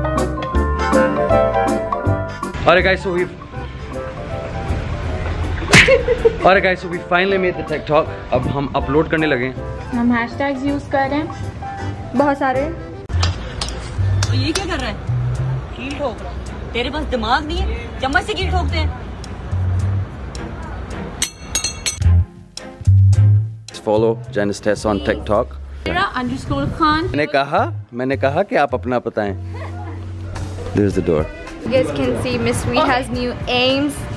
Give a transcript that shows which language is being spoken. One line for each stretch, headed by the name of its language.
English: Alright guys, so we finally made the TikTok.
Hindi: अब हम upload करने लगे. हम हैशटैग्स यूज कर रहे हैं बहुत सारे. तो ये क्या कर रहा है? कील ठोक रहा है. तेरे पास दिमाग नहीं है? चम्मच से कील ठोकते हैं.
English: Follow Janice Tess on TikTok.
Hindi: मैंने कहा कि आप अपना बताएं.
English: There's the door. You guys can see Miss Sweet has new aims.